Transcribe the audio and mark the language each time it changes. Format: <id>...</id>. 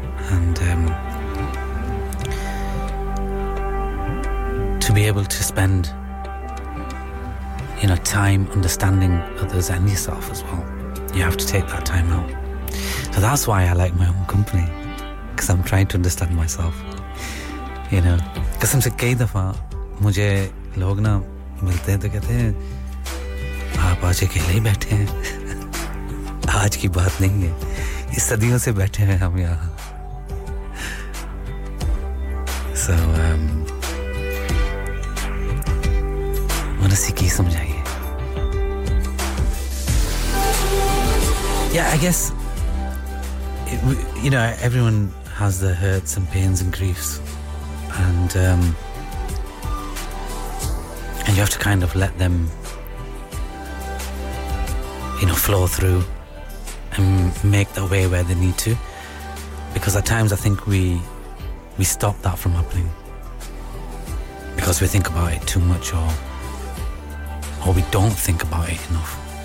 <en>And to be able to spend, you know, time understanding others and yourself as well, you have to take that time out. So that's why I like my own company, because I'm trying to understand myself, you know.</en> <ur>قسم سے کئی دفعہ مجھے لوگ نہ ملتے ہیں تو کہتے ہیں آپ آج اکیلے ہی بیٹھے ہیں، آج کی بات نہیں ہے، یہ صدیوں سے بیٹھے ہیں ہم یہاں۔</ur> <en>So, wanna see</en> <ur>کہ سمجھائیے۔</ur> <en>Yeah, I guess, you know, everyone has their hurts and pains and griefs, and you have to kind of let them, you know, flow through and make their way where they need to, because at times I think we stop that from happening because we think about it too much, or we don't think about it enough.</en>